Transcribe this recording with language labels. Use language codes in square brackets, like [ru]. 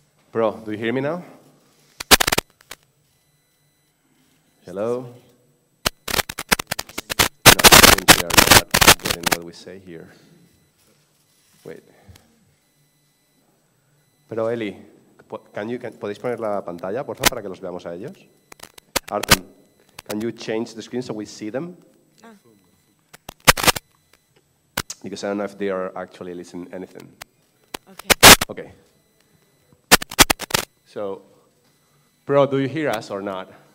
[en] Bro, do you hear me now? Hello? We are not getting what we say here. Wait. [es] Pero Eli, ¿podéis poner la pantalla, por favor, para que los veamos a ellos? [en] Artem, can you change the screen so we see them? Ah. Because I don't know if they are actually listening to anything. Okay. Okay. So, bro, do you hear us or not?